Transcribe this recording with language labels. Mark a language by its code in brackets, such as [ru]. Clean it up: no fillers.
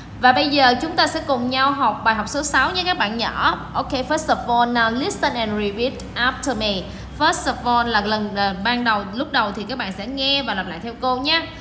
[vi] Và bây giờ chúng ta sẽ cùng nhau học bài học số 6 nha các bạn nhỏ. [en] Okay, first of all, now listen and repeat after me. First of all [vi] là lúc đầu thì các bạn sẽ nghe và lặp lại theo cô nhé.